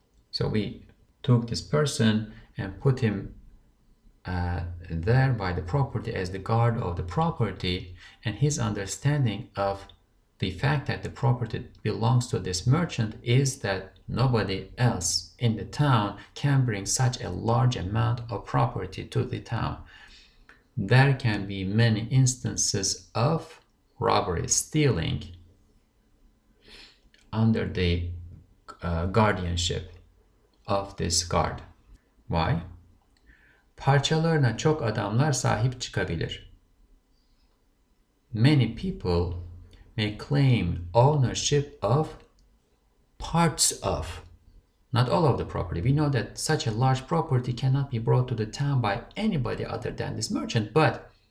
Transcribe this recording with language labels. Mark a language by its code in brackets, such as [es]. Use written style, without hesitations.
[en] So we took this person and put him there by the property as the guard of the property, and his understanding of the fact that the property belongs to this merchant is that nobody else in the town can bring such a large amount of property to the town. There can be many instances of robbery, stealing under the guardianship of this guard. Why? [tr] Parçalarına çok adamlar sahip çıkabilir. [en] Many people may claim ownership of parts of, not all of the property. We know that such a large property cannot be brought to the town by anybody other than this merchant, but